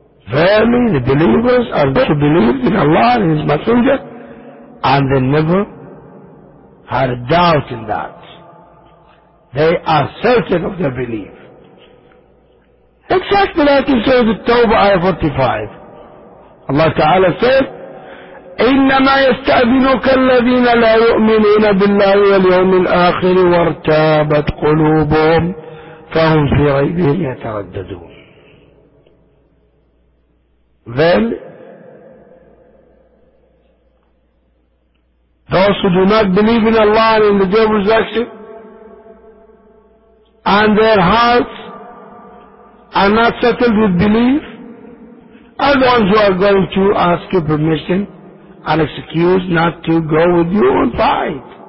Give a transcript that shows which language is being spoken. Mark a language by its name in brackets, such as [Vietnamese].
[English] Verily, the believers are those who believed in Allah and His Messenger, and they never had a doubt in that. They are certain of their belief. Exactly like in Surah At-Tawbah, Ayah 45. [Arabic] الله تعالى said, إنما يستأذنك الذين لا يؤمنون بالله واليوم الآخر وارتابت قلوبهم فهم في ريبهم يترددون. [English] Then, those who do not believe in Allah and in the day of resurrection, and their hearts are not settled with belief, are the ones who are going to ask you permission and excuse not to go with you and fight.